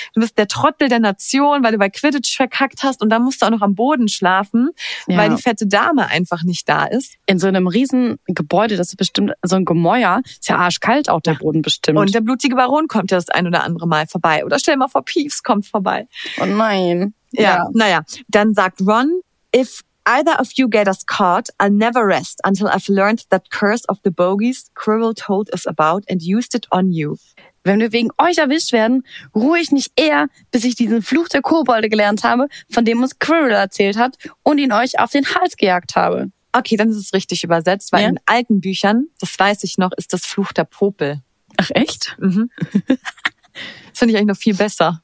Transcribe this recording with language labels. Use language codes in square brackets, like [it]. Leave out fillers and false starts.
[de] Du bist der Trottel der Nation, weil du bei Quidditch verkackt hast und dann musst du auch noch am Boden schlafen, ja. Weil die fette Dame einfach nicht da ist. In so einem riesen Gebäude, das ist bestimmt so ein Gemäuer. Ist ja arschkalt auch der Boden bestimmt. Und der blutige Baron kommt ja das ein oder andere Mal vorbei. Oder stell dir mal vor, Peeves kommt vorbei. Oh nein. Ja. Naja. Dann sagt Ron, [en] if either of you get us caught, I'll never rest until I've learned that curse of the bogies Quirrell told us about and used it on you. [de] Wenn wir wegen euch erwischt werden, ruhe ich nicht eher, bis ich diesen Fluch der Kobolde gelernt habe, von dem uns Quirrell erzählt hat und ihn euch auf den Hals gejagt habe. Okay, dann ist es richtig übersetzt, weil in alten Büchern, das weiß ich noch, ist das Fluch der Popel. Ach echt? Mhm. Das finde ich eigentlich noch viel besser.